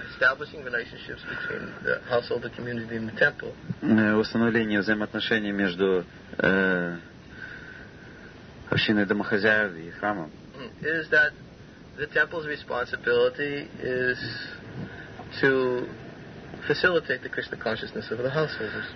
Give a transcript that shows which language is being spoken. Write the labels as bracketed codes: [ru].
[en] Establishing relationships between the household, the community, and the temple. [ru] Установление взаимоотношений между общиной домохозяев и храмом. [en] Is that the temple's responsibility is to facilitate the Krishna consciousness of the householders.